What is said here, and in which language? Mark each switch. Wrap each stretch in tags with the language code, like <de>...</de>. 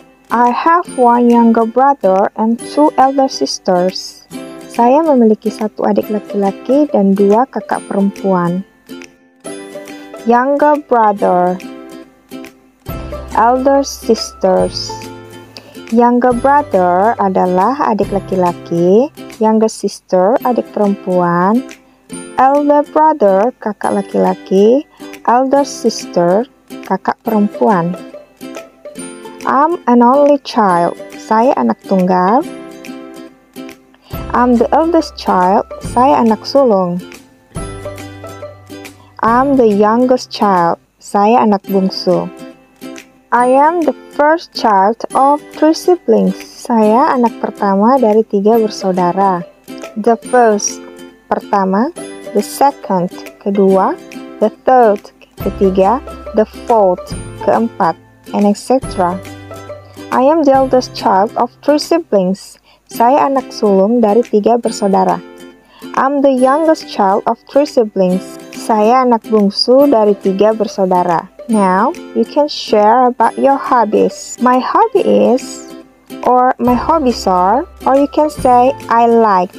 <en>I have one younger brother and two elder sisters.</en> <id>Saya memiliki satu adik laki-laki dan dua kakak perempuan.</id> <en>Younger brother, elder sisters.</en> <id>Younger brother adalah adik laki-laki, younger sister adik perempuan, elder brother kakak laki-laki, elder sister, kakak perempuan.</id> <en>I'm an only child.</en> <id>Saya anak tunggal.</id> <en>I'm the eldest child.</en> <id>Saya anak sulung.</id> <en>I'm the youngest child.</en> <id>Saya anak bungsu.</id> <en>I am the first child of three siblings.</en> <id>Saya anak pertama dari tiga bersaudara.</id> <en>The first, pertama. The second, kedua. The third, ketiga, the fourth, keempat, and etc. I am the eldest child of three siblings.</en> <id>Saya anak sulung dari tiga bersaudara.</id> <en>I'm the youngest child of three siblings.</en> <id>Saya anak bungsu dari tiga bersaudara.</id> <en>Now, you can share about your hobbies. My hobby is, or my hobbies are, or you can say I like.</en>